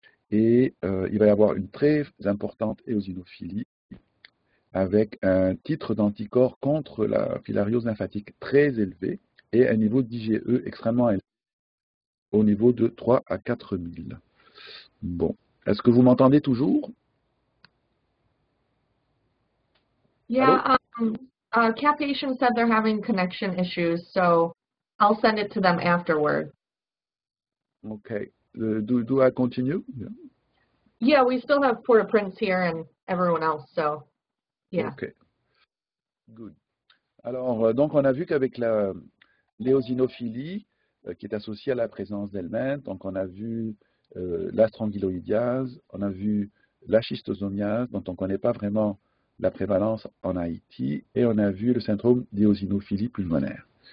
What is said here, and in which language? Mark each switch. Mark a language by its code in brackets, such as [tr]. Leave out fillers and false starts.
[fr] Et il va y avoir une très importante éosinophilie avec un titre d'anticorps contre la filariose lymphatique très élevé et un niveau d'IgE extrêmement élevé au niveau de 3 à 4 000. Bon, est-ce que vous m'entendez toujours? Allô? [en] Yeah, CAP patients said they're having connection issues, so I'll send it to them afterward. Ok. Do I continue? Yeah, we still have Port-au-Prince here and everyone else, so yeah. Ok. Good. [fr] Alors, donc, on a vu qu'avec la l'éosinophilie qui est associée à la présence d'helminthes, donc on a vu la strongyloïdiase, on a vu la schistosomiase, dont on ne connaît pas vraiment la prévalence en Haïti, et on a vu le syndrome d'éosinophilie pulmonaire.